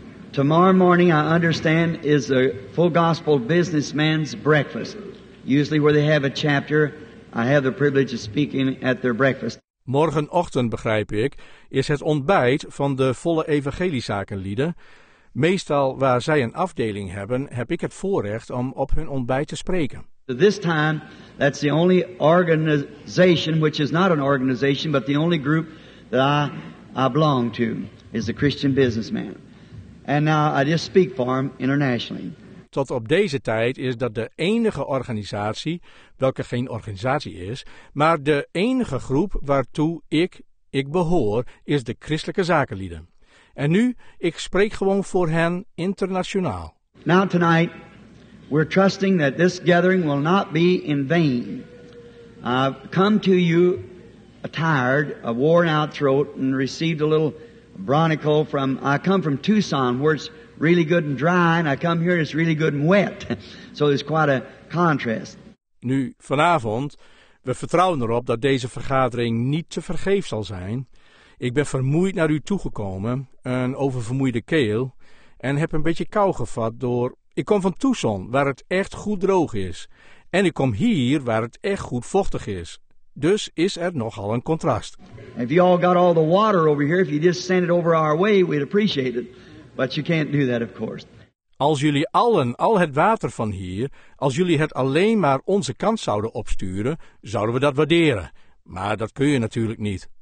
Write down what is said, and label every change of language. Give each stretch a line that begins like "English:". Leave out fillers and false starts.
English: Tomorrow morning, I understand, is a full gospel businessman's breakfast. Usually where they have a chapter, I have the privilege of speaking at their breakfast.
Dutch: Morgenochtend, begrijp ik, is het ontbijt van de volle evangeliezakenlieden. Meestal waar zij een afdeling hebben, heb ik het voorrecht om op hun ontbijt te spreken.
English: This time, that's the only organization, which is not an organization, but the only group that I belong to, is the Christian businessman. And now I just speak for them internationally.
Dutch: Tot op deze tijd is dat de enige organisatie, welke geen organisatie is, maar de enige groep waartoe ik behoor, is de christelijke zakenlieden. En nu, ik spreek gewoon voor hen internationaal.
English: Now tonight, we're trusting that this gathering will not be in vain. I've come to you a tired, a worn out throat and received a little bronchial from, I come from Tucson where it's really good and dry, and I come here and it's really good and wet. So it's quite a contrast.
Dutch: Nu, vanavond, we vertrouwen erop dat deze vergadering niet te vergeefs zal zijn. Ik ben vermoeid naar u toegekomen, een oververmoeide keel, en heb een beetje kou gevat door... Ik kom van Tucson, waar het echt goed droog is. En ik kom hier, waar het echt goed vochtig is. Dus is er nogal een contrast.
English: If you all got all the water over here, if you just send it over our way, we'd appreciate it. But you can't do that, of course.
Dutch: Als jullie allen al het water van hier, als jullie het alleen maar onze kant zouden opsturen, zouden we dat waarderen. Maar dat kun je natuurlijk niet.